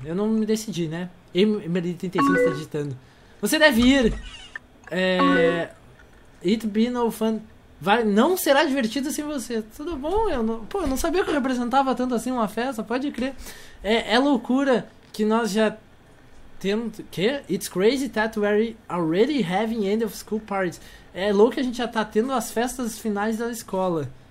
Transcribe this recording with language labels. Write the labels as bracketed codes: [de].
[pt] Eu não me decidi, né? Emily35 está digitando. Você deve ir. [en] It be no fun. [pt] Vai, não será divertido sem você. Tudo bom? Eu não sabia que eu representava tanto assim uma festa. Pode crer. É loucura que nós já temos... Quê? [en] It's crazy that we are already having end of school parties. [pt] É louco que a gente já tá tendo as festas finais da escola.